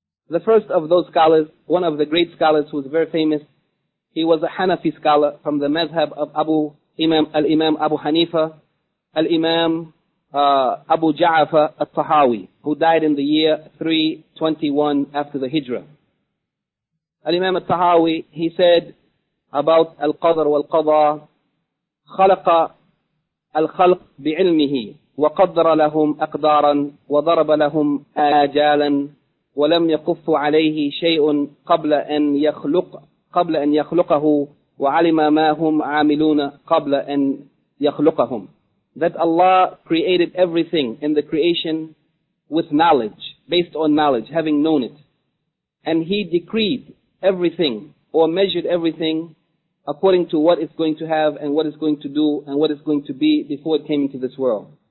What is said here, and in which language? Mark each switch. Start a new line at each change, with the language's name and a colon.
English: The first of those scholars, one of the great scholars who was very famous, he was a Hanafi scholar from the madhab of Al-Imam Abu Hanifa, Al-Imam Abu Ja'afa al-Tahawi, who died in the year 321 after the Hijrah.
Arabic: Al-Imam al-Tahawi,
English: he said about
Arabic: Al-Qadr wal-Qadha, خَلَقَ الْخَلْقِ بِعِلْمِهِ وَقَدَّرَ لَهُمْ أَقْدَارًا وَضَرَبَ لَهُمْ آجَالًا وَلَمْ يَقُفُّ عَلَيْهِ شَيْءٌ قَبْلَ أَنْ يَخْلُقَهُ وَعَلِمَ مَا هُمْ عَامِلُونَ قَبْلَ أَنْ يَخْلُقَهُمْ.
English: That Allah created everything in the creation with knowledge, based on knowledge, having known it. And He decreed everything or measured everything according to what it's going to have and what it's going to do and what it's going to be before it came into this world.